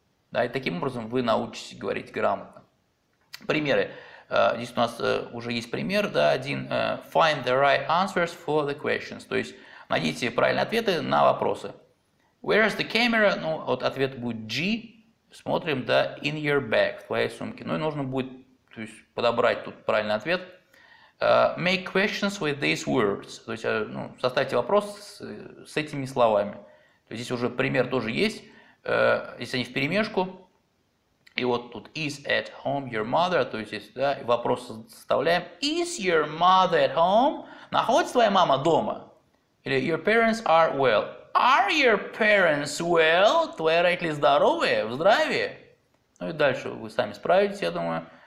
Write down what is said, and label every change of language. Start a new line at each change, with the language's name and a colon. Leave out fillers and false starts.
Russian: Да, и таким образом вы научитесь говорить грамотно. Примеры. Здесь у нас уже есть пример, да, один.
English: Find the right answers for the questions.
Russian: То есть найдите правильные ответы на вопросы.
English: Where is the camera?
Russian: Ну, вот ответ будет G. Смотрим, да,
English: in your bag,
Russian: в твоей сумке. Ну, и нужно будет, то есть, подобрать тут правильный ответ.
English: Make questions with these words.
Russian: То есть, ну, составьте вопрос с этими словами. То есть, здесь уже пример тоже есть. Если они вперемешку, и вот тут
English: is at home your mother,
Russian: то есть здесь, да, вопрос составляем,
English: is your mother at home,
Russian: находится твоя мама дома, или
English: your parents are well, are your parents well,
Russian: твои родители здоровые, в здравии, ну и дальше вы сами справитесь, я думаю.